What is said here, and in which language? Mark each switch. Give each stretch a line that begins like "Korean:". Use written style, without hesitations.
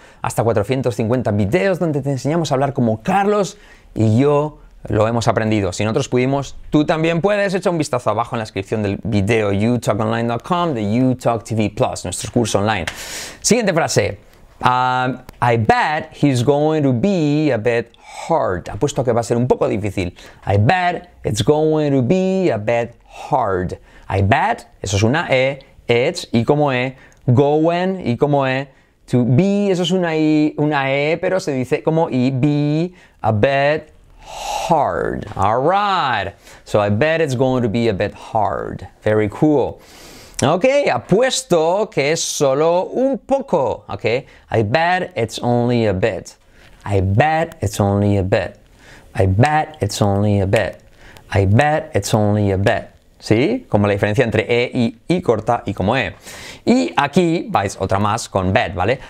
Spanish: Hasta 450 videos donde te enseñamos a hablar como Carlos y yo lo hemos aprendido. Si nosotros pudimos, tú también puedes. Echa un vistazo abajo en la descripción del video youtalkonline.com de YouTalk TV Plus, nuestro curso online. Siguiente frase.
English: I bet he's going to be a bit hard.
Spanish: Apuesto a que va a ser un poco difícil.
English: I bet it's going to be a bit hard.
Spanish: I bet, eso es una E, it's, y como E, going, y como E, to be, eso es una I, una E, pero se dice como I,
English: be a bit hard. All right. So I bet it's going to be a bit hard. Very cool.
Spanish: Ok, apuesto que es solo un poco, ok.
English: I bet it's only a bit. I bet it's only a bit. I bet it's only a bit. I bet it's only a bit.
Spanish: ¿Sí? Como la diferencia entre E y I corta y como E. Y aquí vais otra más con bet, ¿vale?